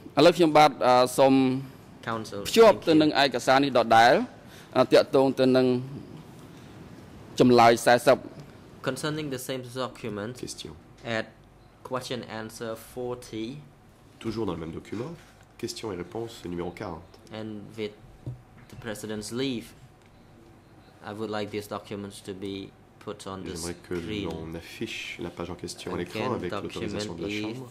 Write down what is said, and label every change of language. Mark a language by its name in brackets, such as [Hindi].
[English] Concerning the same document, question. At question answer 40, [French] toujours dans le même document, question et réponse numéro 40. [English] And with the president's leave, I would like these documents to be put on the screen. [French] J'aimerais que l'on affiche la page en question à l'écran avec l'autorisation de la Chambre.